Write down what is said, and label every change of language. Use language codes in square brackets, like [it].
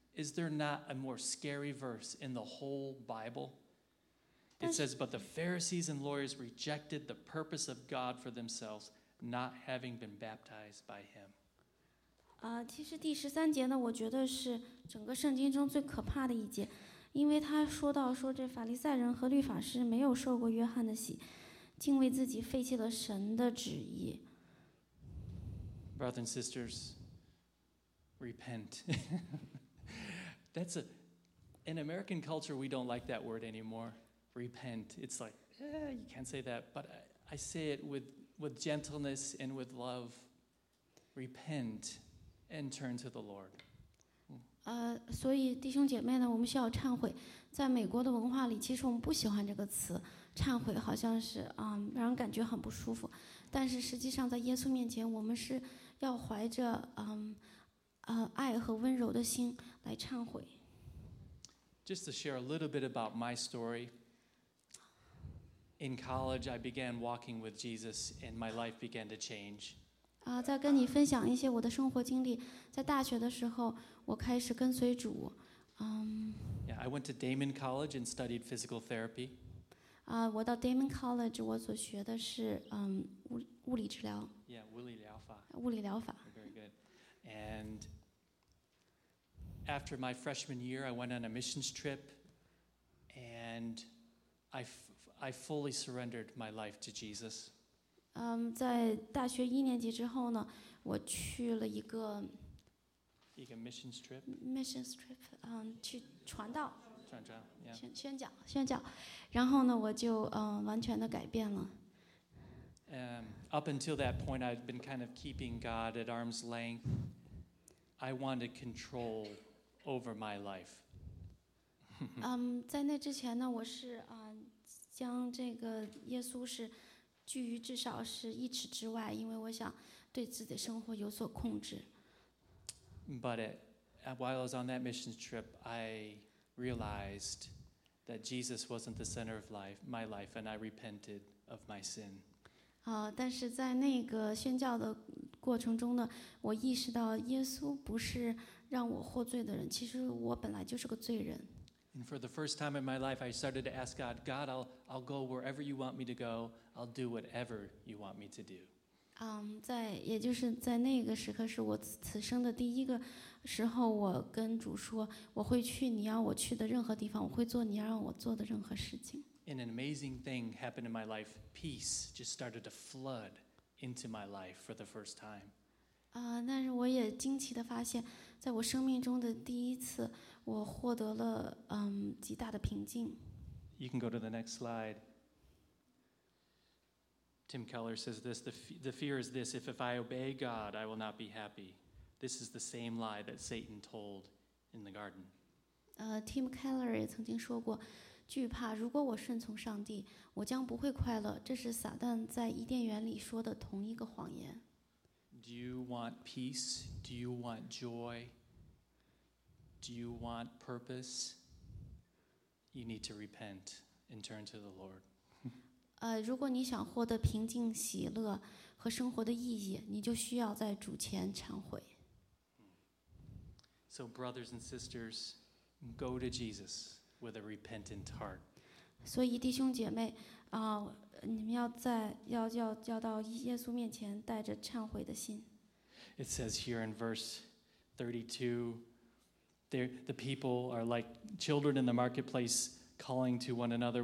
[en] Is there not a more scary verse in the whole Bible? It says, but the Pharisees and lawyers rejected the purpose of God for themselves. Not having been baptized by him. [zh] 其实第十三节呢，我觉得是整个圣经中最可怕的一节，因为他说到说这法利赛人和律法师没有受过约翰的洗，竟为自己废弃了神的旨意。 [en] Brothers and sisters, repent. That's in American culture. We don't like that word anymore. Repent. It's like, you can't say that. But I say it with gentleness and with love, repent and turn to the Lord. [zh] 所以弟兄姐妹呢，我们需要忏悔。在美国的文化里，其实我们不喜欢这个词，忏悔好像是让人感觉很不舒服。但是实际上，在耶稣面前，我们是要怀着爱和温柔的心来忏悔。 [en] Just to share a little bit about my story. In college, I began walking with Jesus, and my life began to change. [zh] 再跟你分享一些我的生活经历。在大学的时候，我开始跟随主。 [en] Yeah, I went to Damon College and studied physical therapy. [zh] 我到 Damon College， 我所学的是物理治疗。 Yeah, 物理疗法。物理疗法。 [en] Very good. And after my freshman year, I went on a missions trip, and I fully surrendered my life to Jesus. [zh] 在大学一年级之后呢，我去了 [en] 一个 missions trip. [zh] Missions trip, 去传道。传， yeah. 宣讲，然后呢，我就完全的改变了。 [en] Up until that point, I've been kind of keeping God at arm's length. I wanted control over my life. [zh] 在那之前呢，我是将这个耶稣是拒于至少是一尺之外，因为我想对自己的生活有所控制。 [en] But while I was on that mission trip, I realized that Jesus wasn't the center of life, my life, and I repented of my sin. [zh] 但是在那个宣教的过程中呢，我意识到耶稣不是让我获罪的人，其实我本来就是个罪人。 [en] And for the first time in my life, I started to ask God, God, I'll go wherever you want me to go. I'll do whatever you want me to do. [zh] 在也就是在那个时刻，是我此生的第一个时候，我跟主说，我会去你要我去的任何地方，我会做你要让我做的任何事情。 [en] And an amazing thing happened in my life. Peace just started to flood into my life for the first time. [zh] 但是我也惊奇地发现，在我生命中的第一次，我获得了极大的平静。 [en] You can go to the next slide. Tim Keller says this, the fear is this, if I obey God, I will not be happy. This is the same lie that Satan told in the garden. [zh] Tim Keller 也曾经说过，惧怕如果我顺从上帝，我将不会快乐，这是撒旦在伊甸园里说的同一个谎言。 [en] Do you want peace? Do you want joy? Do you want purpose? You need to repent and turn to the Lord. [zh] 如果你想获得平静、喜乐和生活的意义，你就需要在主前忏悔。 [en] So, brothers and sisters, go to Jesus with a repentant heart. [zh] 所以弟兄姐妹，你们要到耶稣面前带着忏悔的心。 [en] It says here in verse 32, the people are like children in the marketplace calling to one another.